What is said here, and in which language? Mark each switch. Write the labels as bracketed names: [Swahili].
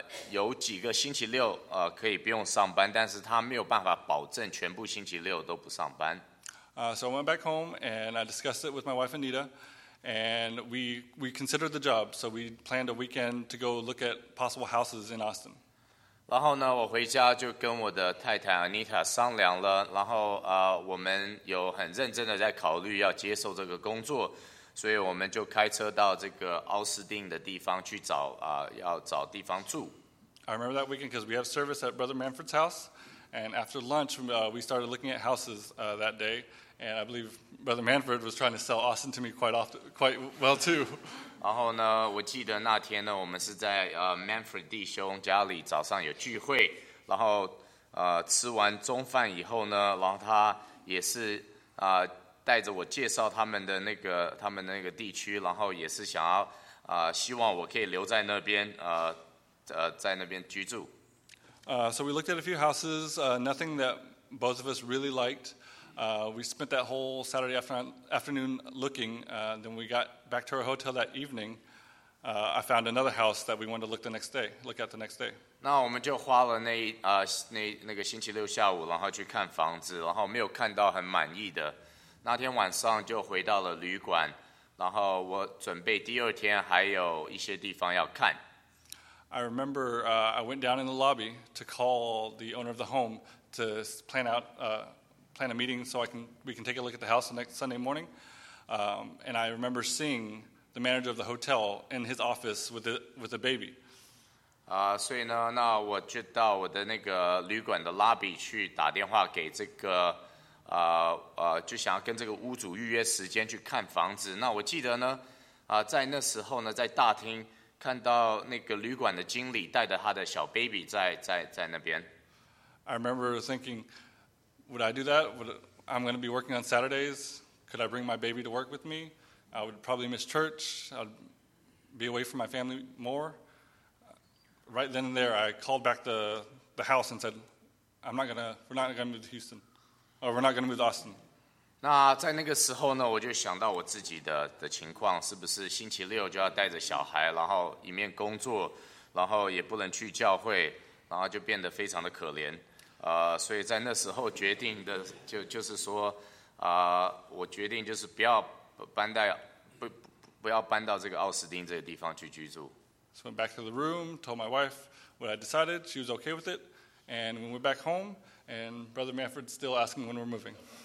[Chinese] 有几个星期六可以不用上班，但是他没有办法保证全部星期六都不上班。 [English] So I went back home and I discussed it with my wife Anita, and we considered the job. So we planned a weekend to go look at possible houses in Austin. [Chinese] 然后呢，我回家就跟我的太太 Anita 商量了，然后我们有很认真的在考虑要接受这个工作。所以我们就开车到这个奥斯汀的地方去找要找地方住。 [English] I remember that weekend because we have service at Brother Manfred's house, and after lunch, we started looking at houses that day. And I believe Brother Manfred was trying to sell Austin to me quite well too. [Chinese] 然后呢，我记得那天呢，我们是在Manfred 弟兄家里早上有聚会，然后吃完中饭以后呢，然后他也是带着我介绍他们的那个地区，然后也是想要希望我可以留在那边在那边居住。 [English] So we looked at a few houses, nothing that both of us really liked. We spent that whole Saturday afternoon looking. Then we got back to our hotel that evening. I found another house that we wanted to look at the next day. [Chinese] 那我们就花了那个星期六下午，然后去看房子，然后没有看到很满意的。那天晚上就回到了旅馆，然后我准备第二天还有一些地方要看。 [English] I remember I went down in the lobby to call the owner of the home to plan a meeting so we can take a look at the house the next Sunday morning. And I remember seeing the manager of the hotel in his office with a baby. [Chinese] 所以呢，那我就到我的那个旅馆的 lobby 去打电话给这个。就想要跟这个屋主预约时间去看房子。那我记得呢，在那时候呢，在大厅看到那个旅馆的经理带着他的小 baby 在那边。 [English] I remember thinking, would I do that? I'm going to be working on Saturdays. Could I bring my baby to work with me? I would probably miss church. I'd be away from my family more. Right then and there, I called back the house and said, We're not going to move to Austin. [Chinese] 那在那个时候呢，我就想到我自己的情况，是不是星期六就要带着小孩，然后一面工作，然后也不能去教会，然后就变得非常的可怜。所以在那时候决定的，就是说，我决定就是不要搬到这个奥斯汀这个地方去居住。 [English] So I went back to the room, told my wife what I decided. She was okay with it. And we went back home, and Brother Manfred's still asking when we're moving.